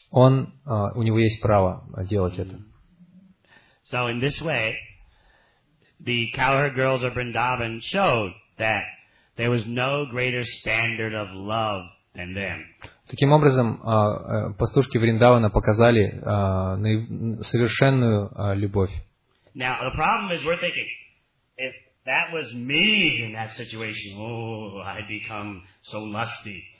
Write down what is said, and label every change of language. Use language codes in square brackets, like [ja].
[ru] Он, у него есть право делать это. [en] So in this way, the cowherd girls of Vrindavan showed that there was no greater standard of love than them. [ru] Таким образом, пастушки Вриндавана показали совершенную любовь. [en] Now the problem is, we're thinking, if that was me in that situation, I'd become so lusty.